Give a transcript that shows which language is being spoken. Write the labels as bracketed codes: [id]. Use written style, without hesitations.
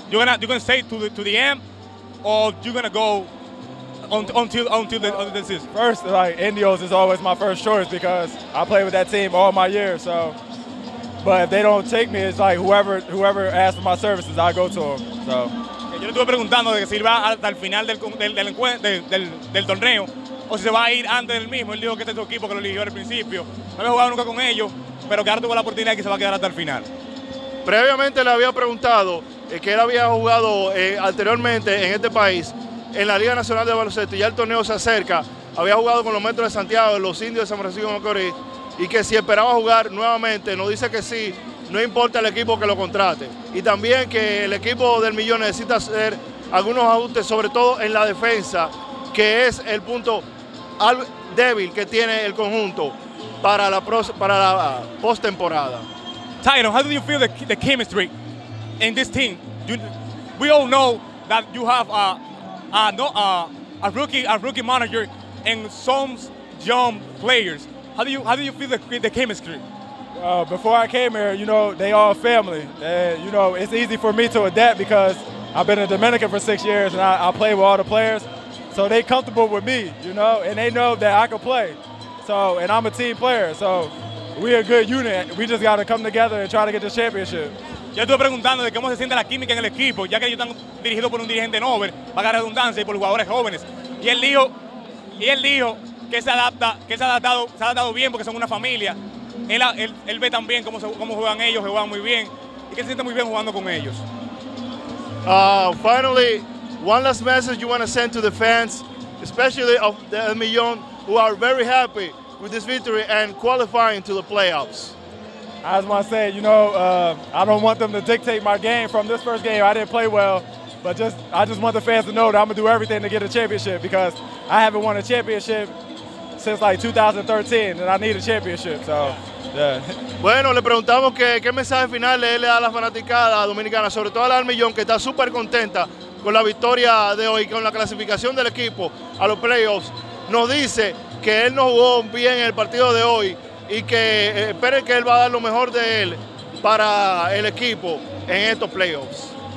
[en] You gonna stay to the end, or you gonna go until the season? First, like, Indios is always my first choice because I played with that team all my years, so. But if they don't take me, it's like whoever asks for my services, I go to them. So. [es] Yo le estuve preguntando de que si va hasta el final del torneo o si se va a ir antes del mismo. Él dijo que este es su equipo, que lo eligió al principio. No había jugado nunca con ellos, pero que ahora tuvo la oportunidad y que se va a quedar hasta el final. Previamente le había preguntado que él había jugado anteriormente en este país, en la Liga Nacional de Baloncesto, y ya el torneo se acerca. Había jugado con los Metros de Santiago, los Indios de San Francisco de Macorís, y que si esperaba jugar nuevamente, nos dice que sí, no importa el equipo que lo contrate. Y también que el equipo del Millón necesita hacer algunos ajustes, sobre todo en la defensa, que es el punto débil que tiene el conjunto para la postemporada. [en] Tyron, how do you feel the chemistry in this team? We all know that you have a rookie manager and some young players. How do you feel the chemistry? Before I came here, you know, they all family. You know, it's easy for me to adapt because I've been in Dominican for 6 years and I play with all the players. So they comfortable with me, you know, and they know that I can play. So, and I'm a team player, so we a good unit. We just got to come together and try to get the championship. [es] Yo estuve preguntando de cómo se siente la química en el equipo, ya que ellos están dirigidos por un dirigente joven, para la redundancia, y por jugadores jóvenes. Y él dijo que se ha adaptado bien porque son una familia. Él ve también cómo juegan ellos, juegan muy bien, y que se siente muy bien jugando con ellos. [en] Finally, one last message you want to send to the fans, especially of the Millón, who are very happy with this victory and qualifying to the playoffs. I just want to say, you know, I don't want them to dictate my game from this first game. I didn't play well, but I just want the fans to know that I'm going to do everything to get a championship because I haven't won a championship since like 2013, and I need a championship, so, yeah. [es] Bueno, le preguntamos qué mensaje final le da a la fanaticada dominicana, sobre todo a la del Millón, que está súper contenta con la victoria de hoy, con la clasificación del equipo a los playoffs. Nos dice que él no jugó bien el partido de hoy, y que espere que él va a dar lo mejor de él para el equipo en estos playoffs.